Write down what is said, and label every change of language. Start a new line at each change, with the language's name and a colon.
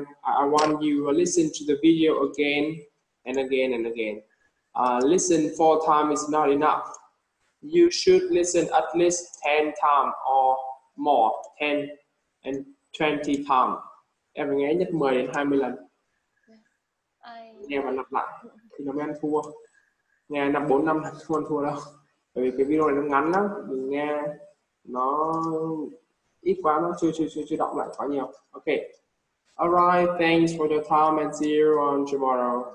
English: I want you to listen to the video again and again and again. Listen 4 times is not enough. You should listen at least 10 times or more, 10 and 20 times.
Vietnamese: Em nghe nhất 10 đến 20 lần. Nghe và lặp lại thì nó mới ăn thua. Nghe 4 năm thì không ăn thua đâu. Bởi vì cái video này nó ngắn lắm, mình nghe nó ít quá, nó chưa đọc lại quá nhiều. Ok.
English: Alright, thanks for your time and see you on tomorrow.